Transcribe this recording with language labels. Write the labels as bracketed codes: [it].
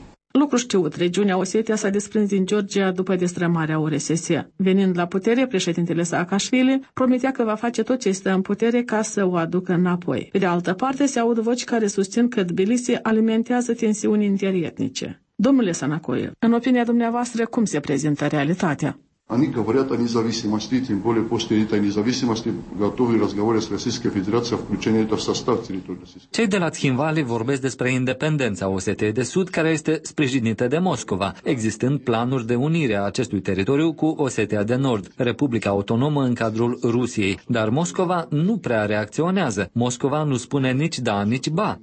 [ro] Lucru știut, regiunea Osetia s-a desprins din Georgia după destrămarea URSS. Venind la putere, președintele Saakashvili promitea că va face tot ce stă în putere ca să o aducă înapoi. Pe de altă parte, se aud voci care susțin că Tbilisi alimentează tensiuni interietnice. Domnule Sanakoev, în opinia dumneavoastră, cum se prezintă realitatea? [ru] Они говорят о независимости, тем более после этой независимости готовы разговоры с Российской Федерацией о включении это в состав территории Российской. [ro] Cei de la Tsinvale vorbesc despre independența Osetiei de Sud, care este sprijinită de Moscova, existând planuri de unire a acestui teritoriu cu Osetia de Nord, Republica Autonomă în cadrul Rusiei. Dar Moscova nu prea reacționează. Moscova nu spune nici da, nici ba.